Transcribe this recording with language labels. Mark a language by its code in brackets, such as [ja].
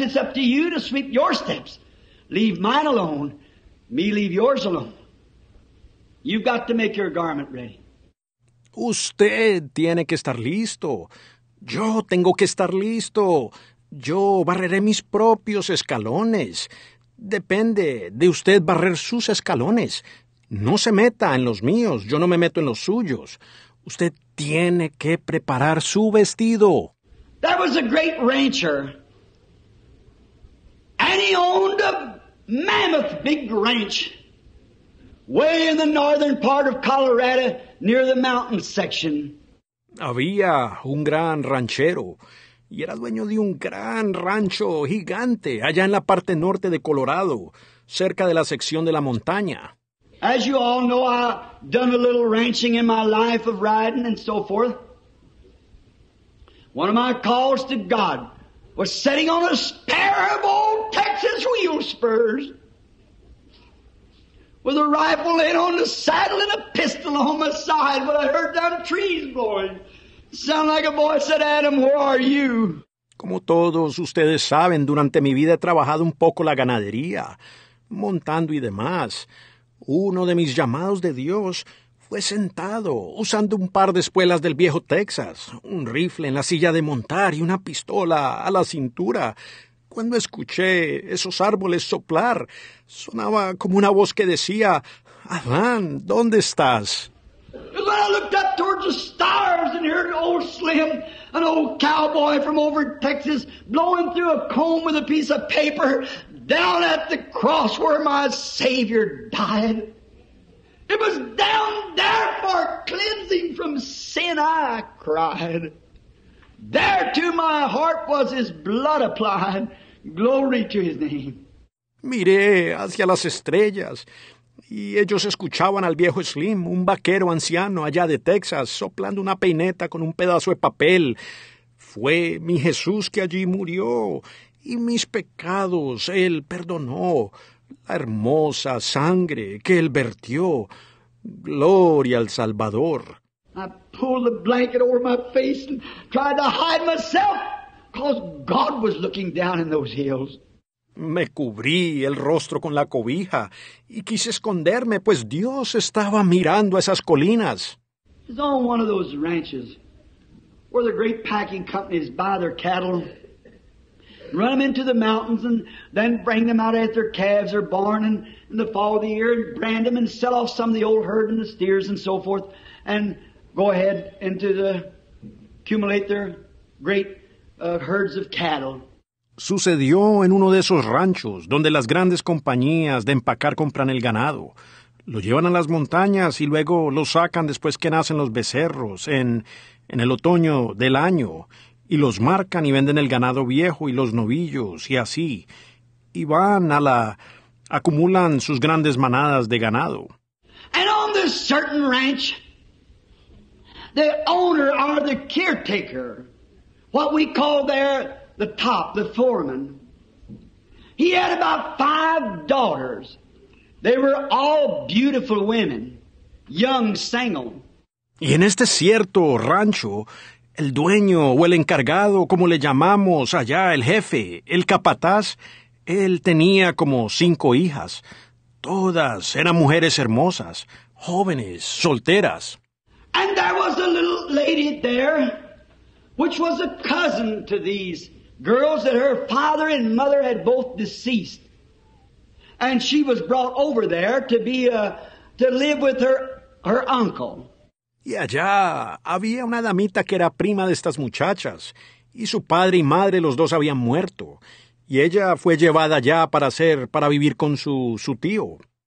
[en] It's up to you to sweep your steps. Leave mine alone. Me leave yours alone. You've got to make your garment ready. [es] Usted tiene que estar listo. Yo tengo que estar listo. Yo barreré mis propios escalones. Depende de usted barrer sus escalones. No se meta en los míos. Yo no me meto en los suyos. Usted tiene que preparar su vestido. [en] There was a great rancher. And he owned a mammoth big ranch. Way in the northern part of Colorado, near the mountain section. [es] Había un gran ranchero, y era dueño de un gran rancho gigante allá en la parte norte de Colorado, cerca de la sección de la montaña. [en] As you all know, I've done a little ranching in my life of riding and so forth. One of my calls to God was sitting on a pair of old Texas wheel spurs, with a rifle in on the saddle and a pistol on my side, when I heard down trees blowing. Sound like a voice said, Adam, where are you? [es] Como todos ustedes saben, durante mi vida he trabajado un poco la ganadería, montando y demás. Uno de mis llamados de Dios fue sentado, usando un par de espuelas del viejo Texas, un rifle en la silla de montar y una pistola a la cintura, Cuando escuché esos árboles soplar, sonaba como una voz que decía, Adán, ¿dónde estás? [en] When I looked up towards the stars and heard old Slim, an old cowboy from over in Texas, blowing through a comb with a piece of paper down at the cross where my Savior died. It was down there for cleansing from sin I cried. There to my heart was his blood applied. Glory to his name. [es] Miré hacia las estrellas. Y ellos escuchaban al viejo Slim, un vaquero anciano allá de Texas, soplando una peineta con un pedazo de papel. Fue mi Jesús que allí murió, y mis pecados él perdonó. La hermosa sangre que él vertió. Gloria al Salvador. [en] I pulled the blanket over my face and tried to hide myself, cause God was looking down in those hills. [es] Me cubrí el rostro con la cobija y quise esconderme, pues Dios estaba mirando a esas colinas. [en] It's on one of those ranches where the great packing companies buy their cattle, run them into the mountains, and then bring them out at their calves or barn in the fall of the year and brand them and sell off some of the old herd and the steers and so forth and go ahead into the accumulate their great herds of cattle. [es] Sucedió en uno de esos ranchos donde las grandes compañías de empacar compran el ganado. Lo llevan a las montañas y luego lo sacan después que nacen los becerros en el otoño del año. Y los marcan y venden el ganado viejo y los novillos y así. Y van a la... acumulan sus grandes manadas de ganado. [en] And on this certain ranch, the owner or the caretaker, what we call there... the top, the foreman. He had about 5 daughters. They were all beautiful women, young, single. [es] Y en este cierto rancho, el dueño o el encargado, como le llamamos allá, el jefe, el capataz, él tenía como 5 hijas. Todas eran mujeres hermosas, jóvenes, solteras. [en] And there was a little lady there, which was a cousin to these girls that her father and mother had both deceased. And she was brought over there to be to live with her uncle. [es] Y allá había una damita que era prima de estas muchachas. Y su padre y madre los dos habían muerto. Y ella fue llevada allá para vivir con su tío.